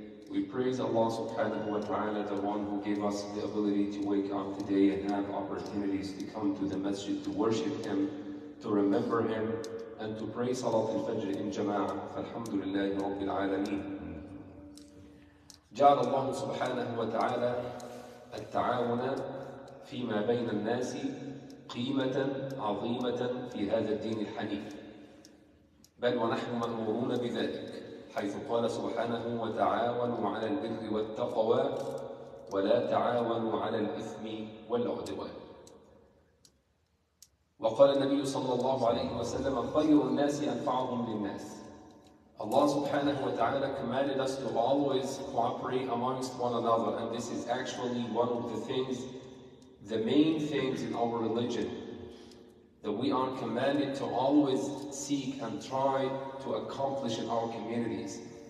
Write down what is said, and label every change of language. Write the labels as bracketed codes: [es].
[en] We praise Allah subhanahu wa ta'ala, the one who gave us the ability to wake up today and have opportunities to come to the masjid to worship Him, to remember Him, and to pray Salat al-Fajr in Jama'ah. [ar] Alhamdulillahi Rabbil Alameen. جعل الله سبحانه وتعالى التعاون فيما بين الناس قيمة عظيمة في هذا الدين الحنيف بل ونحن مأمورون بذلك حيث قال سبحانه وتعاونوا على البر والتقوى ولا تعاونوا على الإثم والعدوان وقال النبي صلى الله عليه وسلم خير الناس أنفعهم للناس. [en] Allah subhanahu wa ta'ala commanded us to always cooperate amongst one another, and this is actually one of the things, the main things in our religion, that we are commanded to always seek and try to accomplish in our communities.